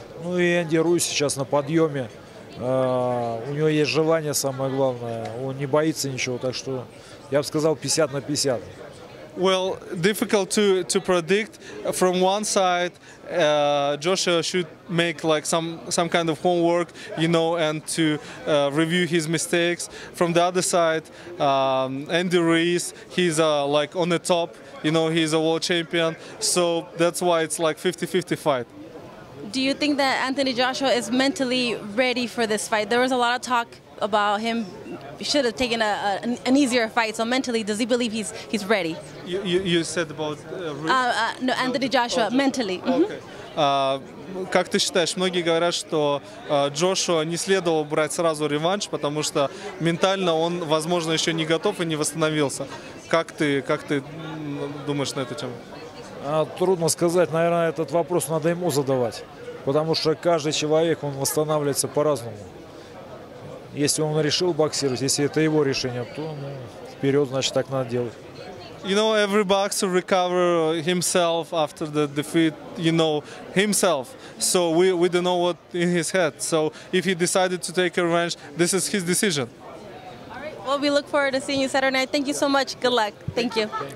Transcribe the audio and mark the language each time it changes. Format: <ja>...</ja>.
<ru>Ну и Энди Руис сейчас на подъеме. У него есть желание, самое главное. Он не боится ничего, так что я бы сказал 50-50.</ru> <en>Well, difficult to predict. From one side, Joshua should make like some kind of homework, you know, and to review his mistakes. From the other side, Andy Ruiz, he's like on the top, you know, he's a world champion. So that's why it's like 50-50 fight. Do you think that Anthony Joshua is mentally ready for this fight? There was a lot of talk about him. He should have taken an easier fight. So mentally, does he believe he's ready? You said about no, Anthony Joshua, oh, mentally. Okay.</en> <ru>Как ты считаешь, многие говорят, что Джошуа не следовало брать сразу реванш, потому что ментально он, возможно, еще не готов и не восстановился. Как ты думаешь на эту тему? Трудно сказать. Наверное, этот вопрос надо ему задавать, потому что каждый человек, он восстанавливается по-разному. Если он решил боксировать, если это его решение, то, ну, вперед, значит, так надо делать.</ru> <en>You know, every boxer recover himself after the defeat, you know, himself. So we don't know what in his head. So if he decided to take a revenge, this is his decision. All right. Well, we look forward to seeing you Saturday night. Thank you so much. Good luck. Thank you.</en>